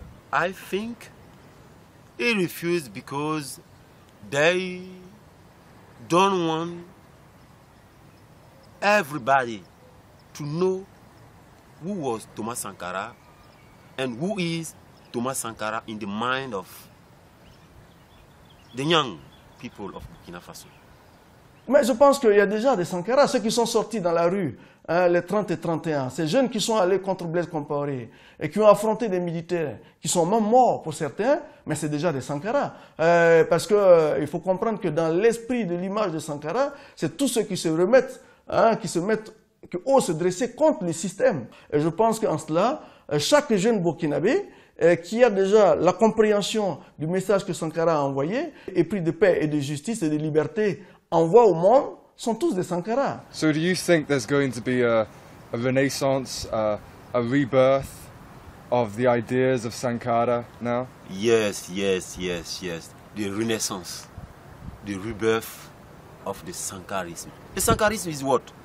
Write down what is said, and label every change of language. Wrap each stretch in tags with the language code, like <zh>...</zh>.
<en>I think he refused because they don't want everybody to know who was Thomas Sankara and who is Thomas Sankara in the mind of the young people of Burkina Faso.</en> <fr>Mais je pense qu'il y a déjà des Sankara, ceux qui sont sortis dans la rue, hein, les 30 et 31, ces jeunes qui sont allés contre Blaise Compaoré et qui ont affronté des militaires, qui sont même morts pour certains, mais c'est déjà des Sankara. Parce qu'il faut comprendre que dans l'esprit de l'image de Sankara, c'est tous ceux qui se remettent, hein, qui osent se dresser contre le système. Et je pense qu'en cela, chaque jeune Burkinabé qui a déjà la compréhension du message que Sankara a envoyé, et pris de paix et de justice et de liberté, envoie au monde, sont tous des Sankara.</fr> <en>So do you think there's going to be a renaissance, a rebirth of the ideas of Sankara now? Yes, yes, yes, yes. The renaissance, the rebirth of the Sankarism. The Sankarism is what?</en>